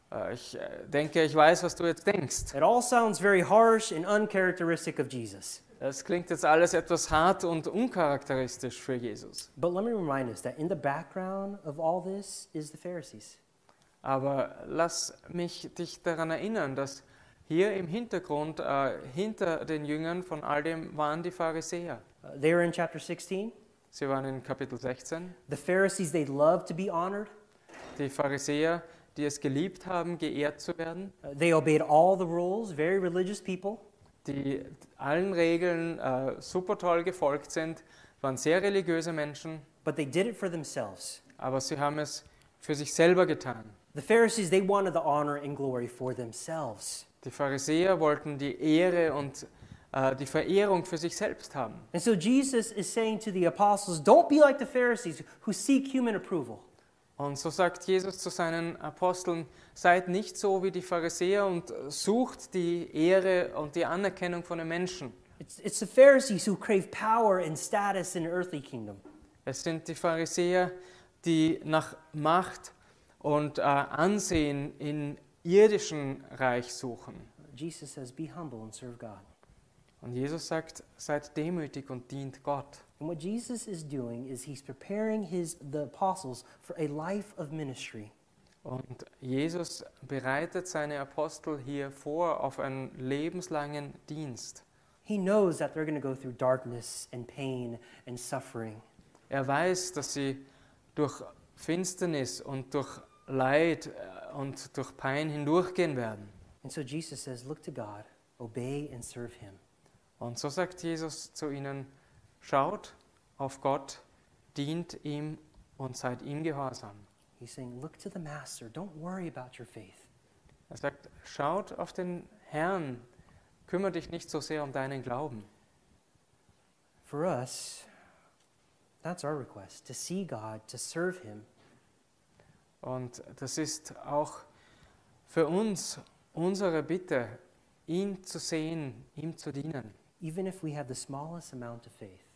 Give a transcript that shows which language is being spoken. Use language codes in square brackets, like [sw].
[de] Ich denke, ich weiß, was du jetzt denkst. [en] It all sounds very harsh and uncharacteristic of Jesus. [de] Es klingt jetzt alles etwas hart und uncharakteristisch für Jesus. [en] But let me remind us that in the background of all this is the Pharisees. [de] Aber lass mich dich daran erinnern, dass hier im Hintergrund, hinter den Jüngern von all dem, waren die Pharisäer. [en] They were in chapter 16. [de] Sie waren in Kapitel 16. [en] The Pharisees, they loved to be honored. [de] Die Pharisäer, die es geliebt haben, geehrt zu werden. [en] They obeyed all the rules, very religious people. [de] Die allen Regeln super toll gefolgt sind, waren sehr religiöse Menschen. [en] But they did it for themselves. [de] Aber sie haben es für sich selber getan. [en] The Pharisees, they wanted the honor and glory for themselves. [de] Die Pharisäer wollten die Ehre und die Verehrung für sich selbst haben. [en] And so Jesus is saying to the apostles, don't be like the Pharisees who seek human approval. [de] Und so sagt Jesus zu seinen Aposteln, seid nicht so wie die Pharisäer und sucht die Ehre und die Anerkennung von den Menschen. [en] It's the Pharisees who crave power and status in the earthly kingdom. [de] Es sind die Pharisäer, die nach Macht und Ansehen im irdischen Reich suchen. [en] Jesus says, be humble and serve God. [de] Und Jesus sagt, seid demütig und dient Gott. [en] And what Jesus is doing is he's preparing the apostles for a life of ministry. [de] Und Jesus bereitet seine Apostel hier vor auf einen lebenslangen Dienst. [en] He knows that they're going to go through darkness and pain and suffering. [de] Er weiß, dass sie durch Finsternis und durch Leid und durch Pein hindurchgehen werden. [en] And so Jesus says, look to God, obey and serve him. [de] Und so sagt Jesus zu ihnen, schaut auf Gott, dient ihm und seid ihm gehorsam. [en] He's saying, look to the master, don't worry about your faith. [de] Er sagt, schaut auf den Herrn, kümmere dich nicht so sehr um deinen Glauben. [en] For us, that's our request, to see God, to serve him. [de] Und das ist auch für uns unsere Bitte, ihn zu sehen, ihm zu dienen. [en] Even if we have the smallest amount of faith.